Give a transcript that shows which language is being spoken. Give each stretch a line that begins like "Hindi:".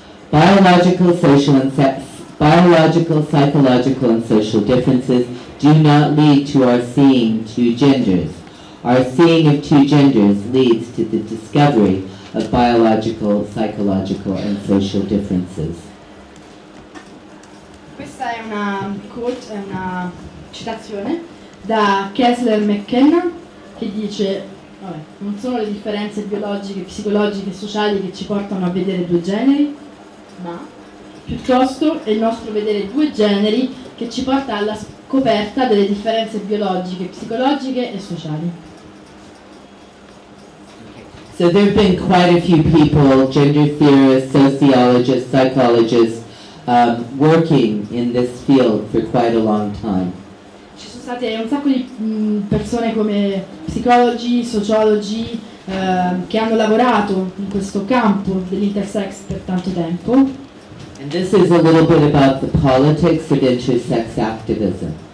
English: Biological, social, and biological, psychological, and social differences do not lead to our seeing two genders. Our seeing of two genders leads to the discovery of biological, psychological, and social differences.
Italian: Questa è una quote, è una citazione da Kessler McKenna che dice: non sono le differenze biologiche, psicologiche e sociali che ci portano a vedere due generi, ma piuttosto è il nostro vedere due generi che ci porta alla scoperta delle differenze biologiche, psicologiche e sociali.
English: So there have been quite a few people, gender theorists, sociologists, psychologists, working in this field for quite a long time.
Italian: Ci sono state un sacco di persone come psicologi, sociologi, che hanno lavorato in questo campo dell'intersex per tanto tempo.
English: And this is a little bit about the politics of intersex activism.